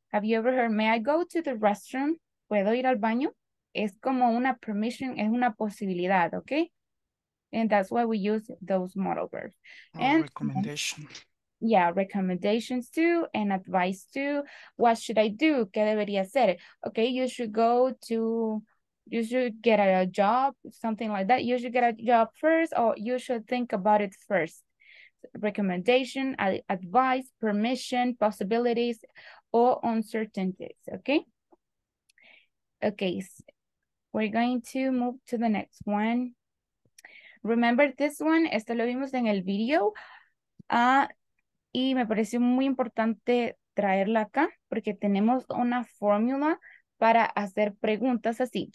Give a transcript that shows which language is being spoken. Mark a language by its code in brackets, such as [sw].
[en] Have you ever heard, may I go to the restroom? [es] ¿Puedo ir al baño? Es como una permission, es una posibilidad, okay? [en] And that's why we use those modal verbs. And recommendation. Yeah, recommendations too, and advice too. What should I do? ¿Qué debería hacer? Okay, you should go to, you should get a job, something like that. You should get a job first, or you should think about it first. Recommendation, advice, permission, possibilities, or uncertainties, okay? Okay, so we're going to move to the next one. [es] Remember this one, esto lo vimos en el video. Y me pareció muy importante traerla acá porque tenemos una fórmula para hacer preguntas así.